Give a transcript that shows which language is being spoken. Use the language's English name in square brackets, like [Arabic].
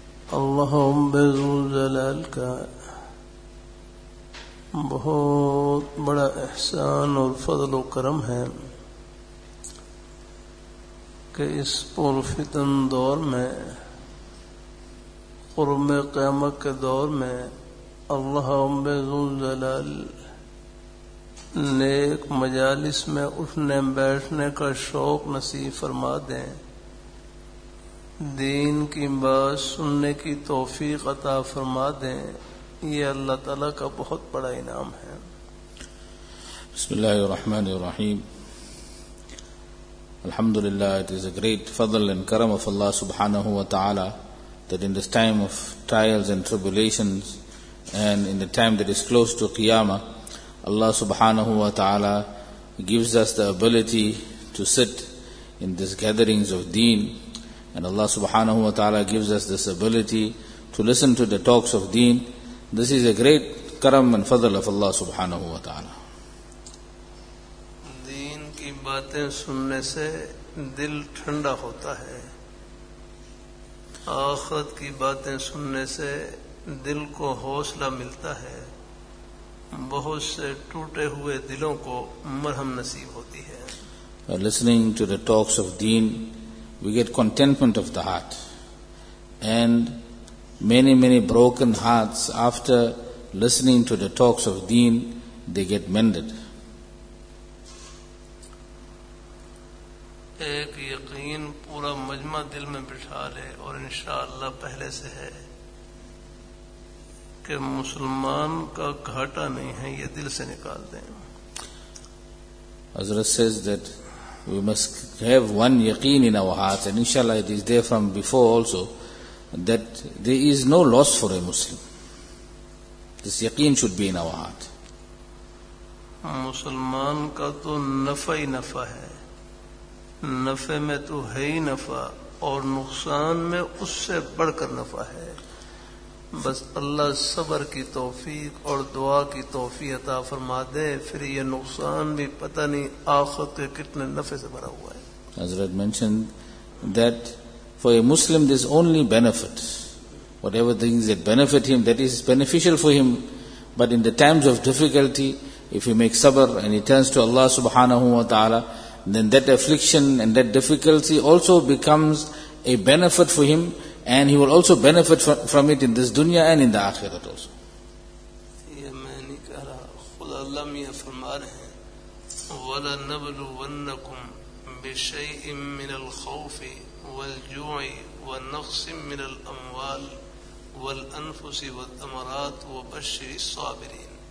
[Urdu] اللهم بذل جلال کا بہت بڑا احسان اور فضل و کرم ہے کہ اس پرفتن دور میں قرب قیامت کے دور میں اللہ رب ذوالجلال نیک مجالس میں اٹھنے بیٹھنے کا شوق نصیب فرما دیں، دین کی بات سننے کی توفیق عطا فرما دیں، یہ اللہ تعالیٰ کا بہت بڑا انعام ہے۔ [Arabic] بسم اللہ الرحمن الرحیم، الحمدللہ، [English] it is a great فضل and کرم of اللہ سبحانہ و تعالی that in this time of trials and tribulations and in the time that is close to Qiyamah, Allah subhanahu wa ta'ala gives us the ability to sit in these gatherings of deen, and Allah subhanahu wa ta'ala gives us this ability to listen to the talks of deen. This is a great karam and fadl of Allah subhanahu wa ta'ala. [Urdu] Deen ki baatein sunne se dil thanda hota hai, آخرت کی باتیں سننے سے دل کو حوصلہ ملتا ہے، بہت سے ٹوٹے ہوئے دلوں کو مرہم نصیب ہوتی ہے۔ [English] Listening to the talks of deen, we get contentment of the heart. And many many broken hearts after listening to the talks of deen, they get mended. [Urdu] ایک یقین پورا مجمع دل میں بٹھا لے، اور انشاءاللہ پہلے سے ہے کہ مسلمان کا گھاٹا نہیں ہے، یہ دل سے نکال دیں۔ [English] حضرت says that we must have one yaqeen in our hearts, and inshallah it is there from before also, that there is no loss for a Muslim. This yaqeen should be in our heart. [Urdu] مسلمان کا تو نفع ہی نفع ہے، نفع میں تو ہے ہی نفع، اور نقصان میں اس سے بڑھ کر نفع ہے، بس اللہ صبر کی توفیق اور دعا کی توفیق عطا فرما دے، پھر یہ نقصان بھی پتہ نہیں آخرت کے کتنے نفع سے بھرا ہوا ہے۔ [English] حضرت mentioned that for a Muslim there is only benefit, whatever things that benefit him, that is beneficial for him, but in the times of difficulty, if he makes sabr and he turns to Allah subhanahu wa ta'ala, then that affliction and that difficulty also becomes a benefit for him, and he will also benefit from it in this dunya and in the akhirat also. [Urdu] یہ میں نہیں کہہ رہا، خدا اللہ میاں فرما رہے ہیں، [Arabic] وَلَنَبْلُوَنَّكُمْ بِشَيْءٍ مِّنَ الْخَوْفِ وَالْجُوعِ وَالنَّقْصِ مِّنَ الْأَمْوَالِ وَالْأَنفُسِ وَالثَّمَرَاتِ وَبَشِّرِ الصَّابِرِينَ،